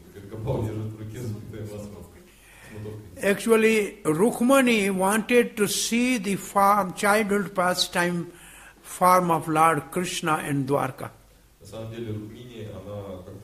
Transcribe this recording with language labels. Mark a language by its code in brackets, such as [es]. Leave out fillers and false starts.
[ru] Гопал держит в руке взбитое масло. [en] Actually, Rukmani wanted to see the form, childhood pastime form of Lord Krishna in Dwarka. [ru] На самом деле, Rukmini, она